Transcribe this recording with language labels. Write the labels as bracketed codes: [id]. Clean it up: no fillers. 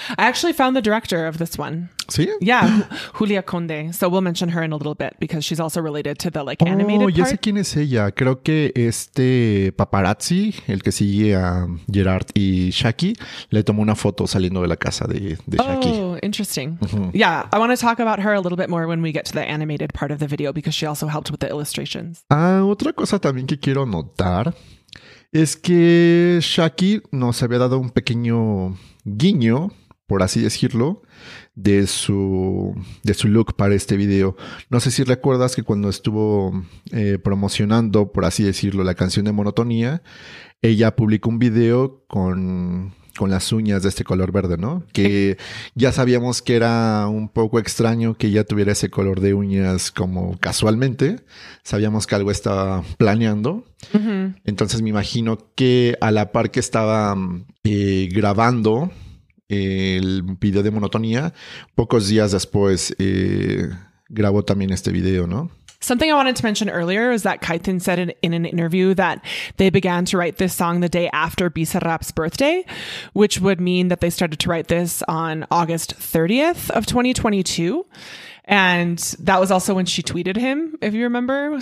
[en] I actually found the director of this one. [es] ¿Sí? [en] Yeah, Julia Conde. So we'll mention her in a little bit because she's also related to the like animated part. [es] Oh, ya sé quién es ella. Creo que paparazzi, el que sigue a Gerard y Shaki, le tomó una foto saliendo de la casa de Shaki. [en] Oh, interesting. Uh-huh. Yeah, I want to talk about her a little bit more when we get to the animated part of the video because she also helped with the illustrations. [es] Otra cosa también que quiero notar es que Shaki nos había dado un pequeño guiño, por así decirlo, de su look para este video. No sé si recuerdas que cuando estuvo promocionando, por así decirlo, la canción de Monotonía, ella publicó un video con las uñas de este color verde, ¿no? Que ya sabíamos que era un poco extraño que ella tuviera ese color de uñas como casualmente. Sabíamos que algo estaba planeando. Uh-huh. Entonces me imagino que a la par que estaba grabando el video de Monotonía, pocos días después grabó también este video, ¿no? [en] Something I wanted to mention earlier is that Kaitin said in an interview that they began to write this song the day after Bizarrap's birthday, which would mean that they started to write this on August 30th of 2022. And that was also when she tweeted him, if you remember.